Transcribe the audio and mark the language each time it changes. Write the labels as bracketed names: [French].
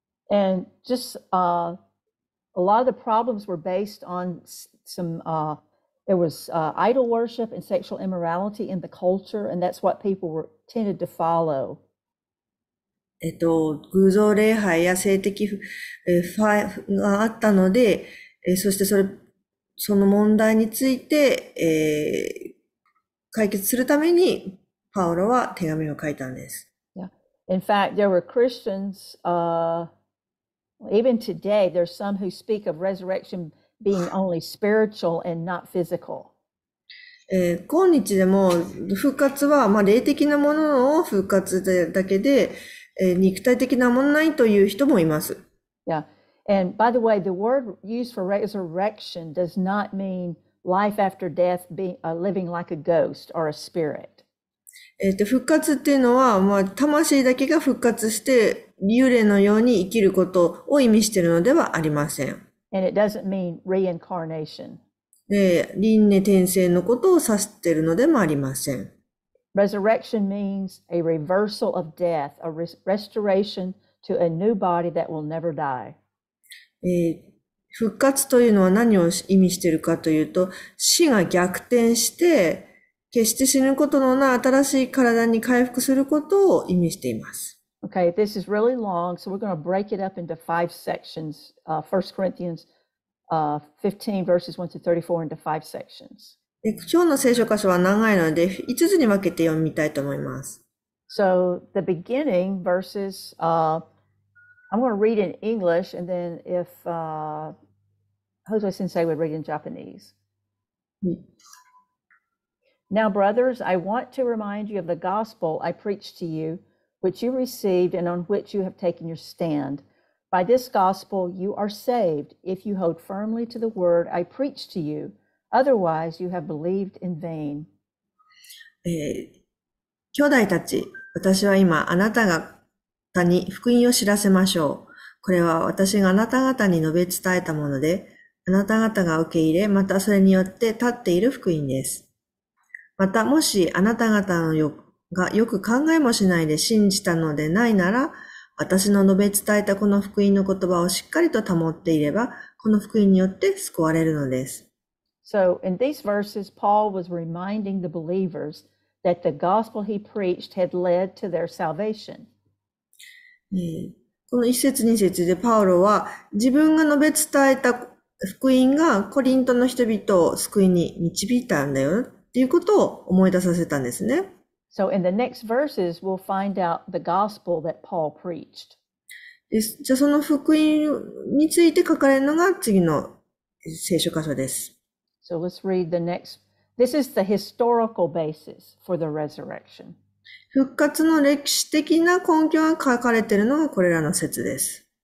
[English] And just a lot of the problems were based on some there was idol worship and sexual immorality in the culture, and that's what people were tended to follow. [Japanese] 偶像礼拝や性的があったので、そしてその問題について、解決するためにパウロは手紙を書いたんです。 [English] In fact, there were Christians, even today, there's some who speak of resurrection being only spiritual and not physical. [Japanese] 今日でも復活は、霊的なものを復活だけで、肉体的なものないという人もいます。 [English] And by the way, the word used for resurrection does not mean life after death, living like a ghost or a spirit. [Japanese] 復活っていうのは、魂だけが復活して幽霊のように生きることを意味しているのではありません。 [English] And it doesn't mean reincarnation. [Japanese] で、輪廻転生のことを指しているのでもありません。 [English] Resurrection means a reversal of death, a re restoration to a new body that will never die. [Japanese] 復活というのは何を意味しているかというと、死が逆転して、決して死ぬことのない新しい体に回復することを意味しています。 [English] Okay, this is really long, so we're going to break it up into five sections. 1 Corinthians 15, verses 1 to 34, into five sections. [Japanese] 今日の聖書箇所は長いので、5つに分けて読みたいと思います。 [English] So, the beginning verses, I'm going to read in English, and then if Jose Sensei would read in Japanese. Now, brothers, I want to remind you of the gospel I preached to you, which you received and on which you have taken your stand. By this gospel, you are saved if you hold firmly to the word I preached to you. Otherwise, you have believed in vain. [Japanese] 兄弟たち、私は今、あなた方に福音を知らせましょう。これは私があなた方に述べ伝えたもので、あなた方が受け入れ、またそれによって立っている福音です。また、もし、あなた方のよ、がよく考えもしないで信じたのでないなら、私の述べ伝えたこの福音の言葉をしっかりと保っていれば、この福音によって救われるのです。 [English] So, in these verses, Paul was reminding the believers that the gospel he preached had led to their salvation. [Japanese] この一節二節でパウロは、自分が述べ伝えた福音がコリントの人々を救いに導いたんだよ、ということを思い出させたんですね。 [English] So, in the next verses, we'll find out the gospel that Paul preached. [Japanese] じゃあその福音について書かれるのが次の聖書箇所です。 [English] So let's read the next. This is the historical basis for the resurrection. [Japanese] 復活の歴史的な根拠が書かれているのがこれらの節です。